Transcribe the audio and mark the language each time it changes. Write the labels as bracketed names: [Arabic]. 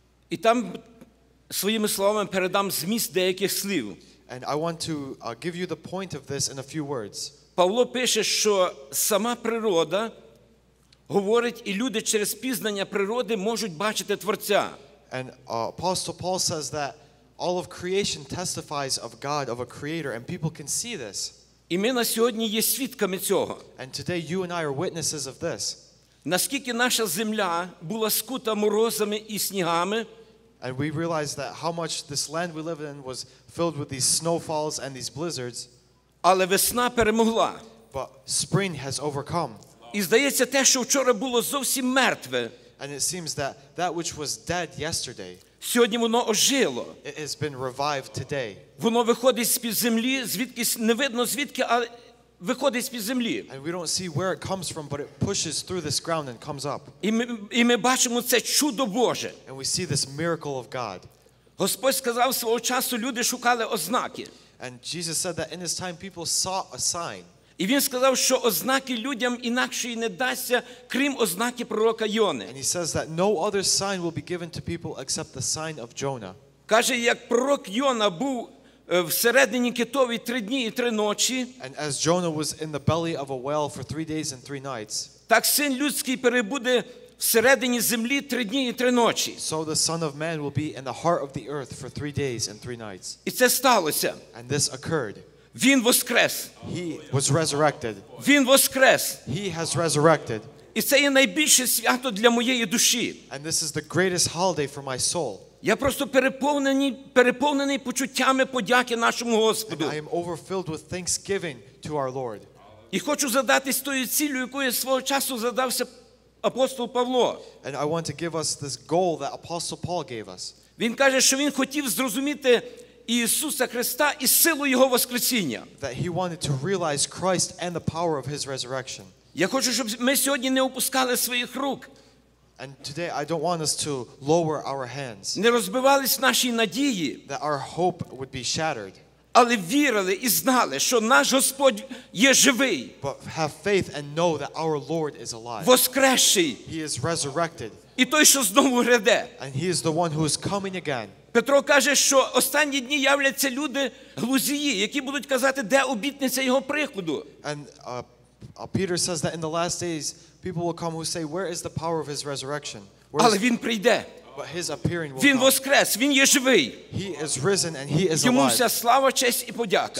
[Ukrainian] І там своїми словами передам зміст деяких слів. [English] And I want to give you the point of this in a few words. [Ukrainian] Павло пише, що сама природа говорить, і люди через пізнання природи можуть бачити Творця. [English] And Apostle Paul says that all of creation testifies of God, of a creator, and people can see this. [Ukrainian] І ми на сьогодні є свідками цього. [English] And today you and I are witnesses of this. [Ukrainian] Наскільки наша земля була скута морозами і снігами, [English] and we realized that how much this land we live in was filled with these snowfalls and these blizzards. [Ukrainian] Але весна перемогла. [English] but spring has overcome. [Ukrainian] І здається те, що вчора було зовсім мертве. [English] And it seems that that which was dead yesterday, [Ukrainian] сьогодні воно ожило. [English] It has been revived today. [Ukrainian] Воно виходить з-під землі, звідки не видно звідки, а виходить з-під землі. [English] And we don't see where it comes from, but it pushes through this ground and comes up. [Ukrainian] І ми бачимо це чудо Боже. [English] And we see this miracle of God. [Ukrainian] Господь сказав свого часу, люди шукали ознаки. [English] And Jesus said that in his time people sought a sign. [Ukrainian] І він сказав, що ознаки людям інакшої не дасться, крім ознаки пророка Йони. [English] And he says that no other sign will be given to people except the sign of Jonah. [Ukrainian] Каже, як пророк Йона був всередині китові 3 дні і 3 ночі. [English] And as Jonah was in the belly of a whale for 3 days and 3 nights. [Ukrainian] Так син людський перебуде всередині землі 3 дні і 3 ночі. [English] So the son of man will be in the heart of the earth for 3 days and 3 nights. [Ukrainian] І це сталося. [English] And this occurred. [Ukrainian] Він воскрес. [English] He was resurrected. [Ukrainian] Він воскрес. [English] He has resurrected. [Ukrainian] І це є найбільше свято для моєї душі. [English] And this is the greatest holiday for my soul. [Ukrainian] Я просто переповнений почуттями подяки нашому Господу. [English] And I am overfilled with thanksgiving to our Lord. [Ukrainian] І хочу задатись тою ціллю, якою свого часу задався апостол Павло. [English] And I want to give us this goal that Apostle Paul gave us. [Ukrainian] Він каже, що він хотів зрозуміти Ісуса Христа і силу Його воскресіння. [English] That he wanted to realize Christ and the power of his resurrection. [Ukrainian] Я хочу, щоб ми сьогодні не опускали своїх рук. [English] And today I don't want us to lower our hands. [Ukrainian] Не розбивались наші надії. [English] That our hope would be shattered. [Ukrainian] Але вірили і знали, що наш Господь є живий. [English] But have faith and know that our Lord is alive. [Ukrainian] Воскресший. [English] He is resurrected. [Ukrainian] І той, що знову гряде. [English] And he is the one who is coming again. [Ukrainian] Петро каже, що останні дні являться люди глузії, які будуть казати, де обітниця його приходу. [English] And Peter says that in the last days people will come who say, where is the power of his resurrection? [Ukrainian] Але він прийде. [English] But his appearing will come. [Ukrainian] Він воскрес, він є живий. [English] He is risen and he is alive. [Ukrainian] Йому вся слава, честь і подяка.